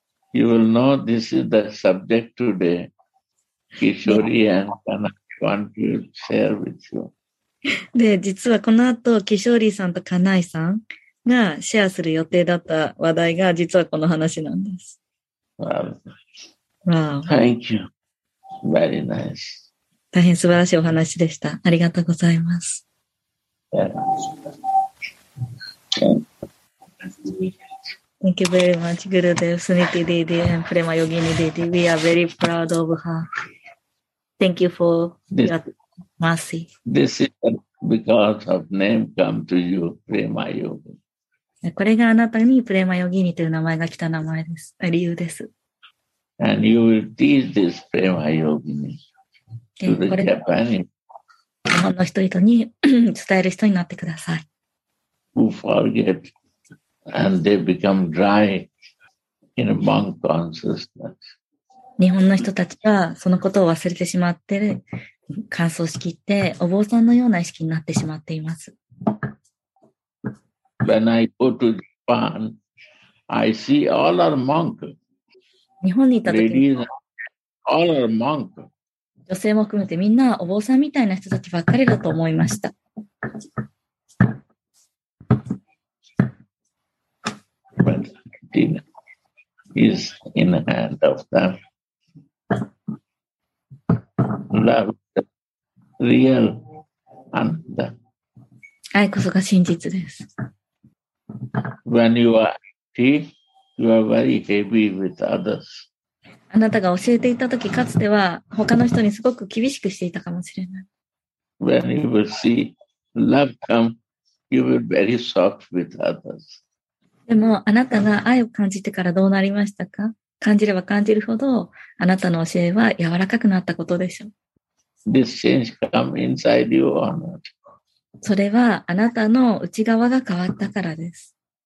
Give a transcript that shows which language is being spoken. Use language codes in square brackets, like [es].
[en] You will know this is the subject today. Kishori and Kanai want to share with you. [ja] で、実はこの後、キショーリーさんとカナイさんがシェアする予定だった話題が実はこの話なんです。 [en] Wow. Wow. Thank you. Very nice. [ja] 大変素晴らしいお話でした。ありがとうございます。 [en] Thank you very much, Gurudev, Suniti Didi, and Prema Yogini Didi. We are very proud of her. Thank you for your mercy. This is because of name come to you, Prema Yogini. [ja] これがあなたにプレマヨギニという名前が来た名前です。理由です。 [en] And you will teach this Prema Yogini to the Japanese. [ja] 日本の人々に伝える人になってください。 [en] Who forget? And they become dry in a monk consciousness. [ja] 日本の人たちはそのことを忘れてしまって乾燥しきってお坊さんのような意識になってしまっています。 [en] When I go to Japan, I see all our monks. [ja] 日本にいた時 [en] に、all our monks. [ja] 女性も含めてみんなお坊さんみたいな人たちばっかりだと思いました。 [en] Is in the hand of them. Love is the real ananda. [ja] 愛こそが真実です。 [en] When you are empty, you are very heavy with others. [ja] あなたが教えていたとき、かつては他の人にすごく厳しくしていたかもしれない。 [en] When you will see love come, you will be very soft with others. [ja] でもあなたが愛を感じてからどうなりましたか？感じれば感じるほどあなたの教えは柔らかくなったことでしょう。 [en] This change come inside you or not? [ja] それはあなたの内側が変わったからです。